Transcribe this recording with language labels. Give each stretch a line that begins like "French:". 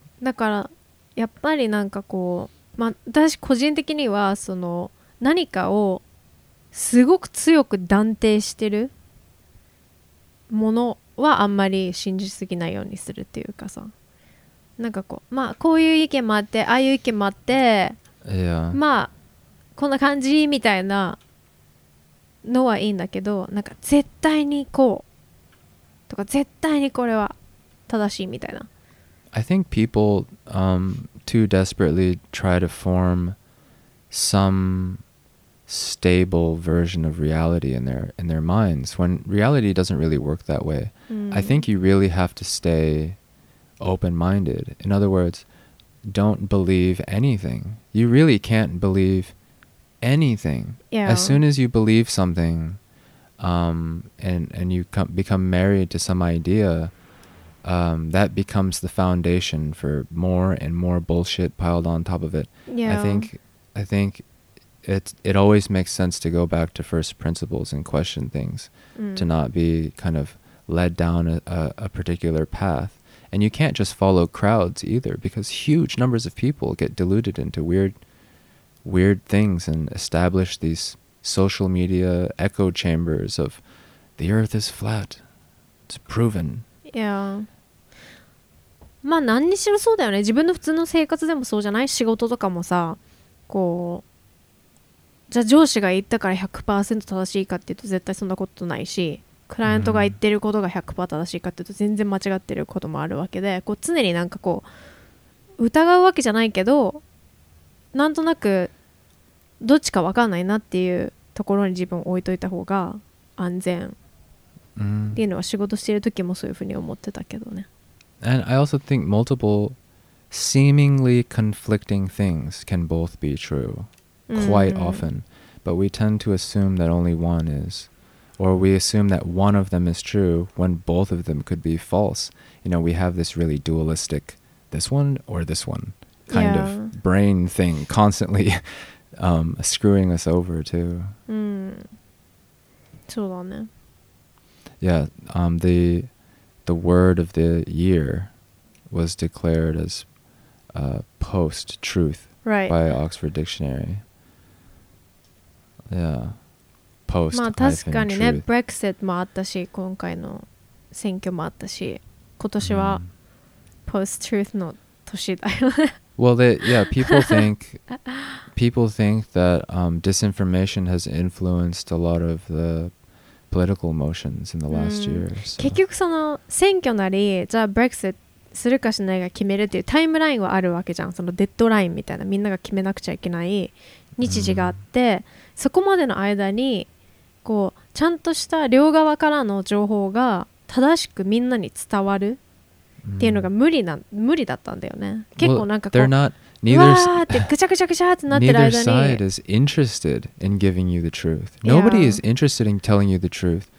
Japanese: だからやっぱりなんかこう、まあ私個人的にはその何かをすごく強く断定してるものはあんまり信じすぎないようにするっていうかさ。なんかこう、まあこういう意見もあって、ああいう意見もあって、
English: yeah.
Japanese: まあこんな感じみたいなのはいいんだけど、なんか絶対にこうとか絶対にこれは正しいみたいな。
English: I think people too desperately try to form some stable version of reality in their minds when reality doesn't really work that way. I think you really have to stay open-minded. In other words, don't believe anything. You really can't believe anything. Yeah. As soon as you believe something, and you become married to some idea, that becomes the foundation for more and more bullshit piled on top of it. Yeah. I think it always makes sense to go back to first principles and question things, to not be kind of led down a particular path. And you can't just follow crowds either, because huge numbers of people get deluded into weird things and establish these social media echo chambers of the earth is flat. It's proven. Yeah.
Japanese: まあ何にしろそうだよね。自分の普通の生活でもそうじゃない？仕事とかもさ、こう、じゃあ上司が言ったから 100% 正しいかっていうと絶対そんなことないし、クライアントが言ってることが 100% 正しいかっていうと全然間違ってることもあるわけで、こう常になんかこう疑うわけじゃないけど、なんとなくどっちか分かんないなっていうところに自分を置いといた方が安全っていうのは仕事してる時もそういうふうに思ってたけどね。
English: And I also think multiple seemingly conflicting things can both be true quite often, but we tend to assume that only one is, or we assume that one of them is true when both of them could be false. You know, we have this really dualistic this one or this one kind of brain thing constantly screwing us over too.
Japanese: そうだね。
English: Yeah, the word of the year was declared as post-truth right by Oxford Dictionary. Yeah, post.
Japanese: まあ確かにね、Brexit もあったし、今回の選挙もあったし、今年は post-truth の年だよね。
English: Well, people think that disinformation has influenced a lot of the political motions in the last year. So.
Japanese: 結局その選挙なり、じゃあ Brexit するかしないか決めるっていうタイムラインはあるわけじゃん。そのデッドラインみたいな、みんなが決めなくちゃいけない日時があって、そこまでの間にこうちゃんとした両側からの情報が正しくみんなに伝わるっていうのが無理だったんだよね。結構なんかこう、
English: Neither side is interested in giving you the truth. Neither side is interested in giving you the truth. Nobody is interested in telling you the truth.